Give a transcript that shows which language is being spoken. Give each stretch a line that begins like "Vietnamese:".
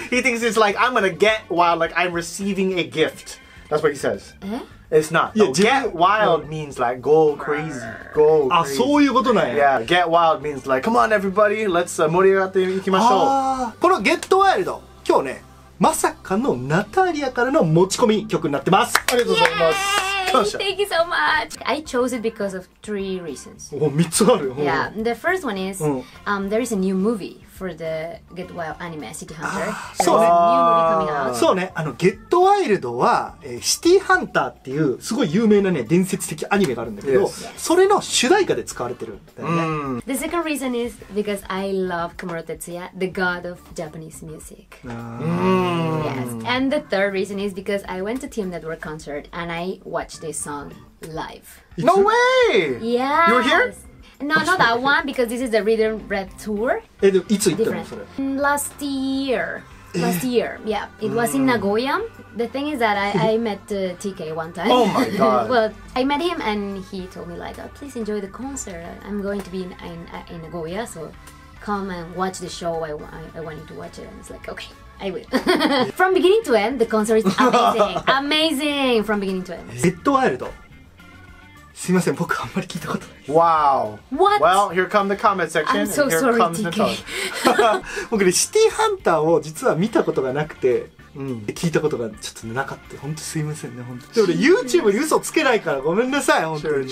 English: He thinks it's like I'm gonna get wild, like I'm receiving a gift. That's what he says. It's not. No, get wild means like go crazy. Go crazy.
Japanese: あ、そういうことなんや。
English: Yeah, get wild means like, come on everybody, let's
Japanese: 盛り上がっていきましょう。この Get Wild、今日ね、まさかのナタリアからの持ち込み曲になってます。ありがとうございます。
English: Thank you so much. I chose it because of three reasons.
Japanese: Oh, 3つある。
English: Yeah, the first one is、there is a new movie for the Get Wild anime, City Hunter.
Japanese: そうね。
English: New movie coming out.
Japanese: そうね。あの Get Wild は、シティハンターっていうすごい有名なね伝説的アニメがあるんだけど、それの主題歌で使われてるんだよね。
English: The second reason is because I love Kamuro Tetsuya, the god of Japanese music. Yes. And the third reason is because I went to Team Network concert and I watched. This song live. No way! Yeah. You were here? No, not that one because this is the Red Red Tour. Last year. Yeah. It was in Nagoya. The thing is that I met TK one time. Oh my god. Well, I met him and he told me, like, oh, please enjoy the concert. I'm going to be in Nagoya, so come and watch the show. I want you to watch it. And it's like, okay. I will. From beginning to end, the concert is amazing. From beginning to end. Get Wild.
Japanese: すいません、僕あんまり聞いたことない。
English: Wow. What? Well, here come the comment section. I'm so sorry, TK.
Japanese: 僕ね、シティハンターを実は見たことがなくて、聞いたことがちょっとなかった。本当すいませんね、本当。で、俺 YouTube に嘘つけないからごめんなさい、本当に。